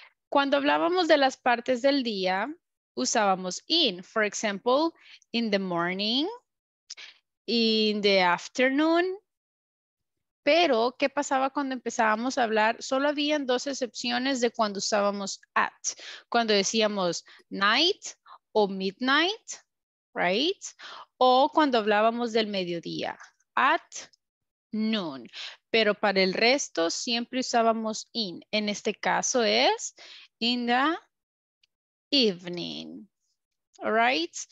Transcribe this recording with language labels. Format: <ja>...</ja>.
<es>Cuando hablábamos de las partes del día, usábamos in.</es> <en>For example, in the morning, in the afternoon.</en> <es>Pero, ¿qué pasaba cuando empezábamos a hablar? Solo habían dos excepciones de cuando usábamos at. Cuando decíamos night o midnight, right? O cuando hablábamos del mediodía, at noon. pero para el resto siempre usábamos in. En este caso es in the evening. All right?</es>